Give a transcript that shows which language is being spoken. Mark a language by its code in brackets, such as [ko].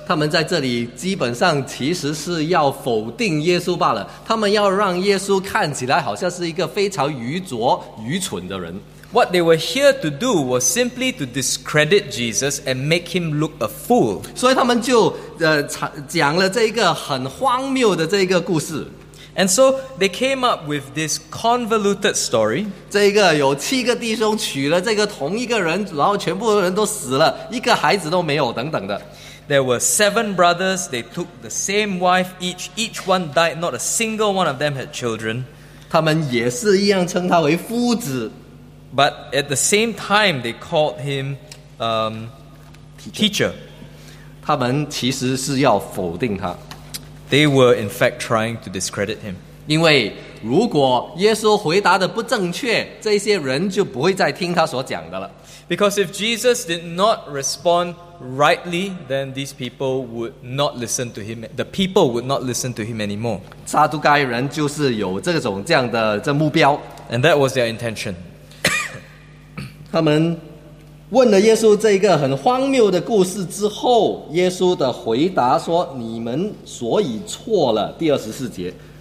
[zh] 他们在这里基本上其实是要否定耶稣罢了。他们要让耶稣看起来好像是一个非常愚拙、愚蠢的人。 [en] What they were here to do was simply to discredit Jesus and make him look a fool. [zh] 所以他们就讲了这一个很荒谬的这一个故事。 [en] And so they came up with this convoluted story. [zh] 这个有七个弟兄娶了这个同一个人，然后全部的人都死了，一个孩子都没有，等等的。 [en] There were seven brothers. They took the same wife each. Each one died. Not a single one of them had children. [zh] 他们也是一样称他为夫子。 [en] But at the same time, they called him teacher. [zh] 他们其实是要否定他。 [en] They were in fact trying to discredit him. [zh] 因为如果耶稣回答的不正确，这些人就不会再听他所讲的了。 [en] Because if Jesus did not respond rightly, then these people would not listen to him. The people would not listen to him anymore. [zh] 撒都该人就是有这种这样的目标。 [en] And that was their intention. [zh] 他们问了耶稣这个很荒谬的故事之后， 耶稣的回答说，你们所以错了。第24节。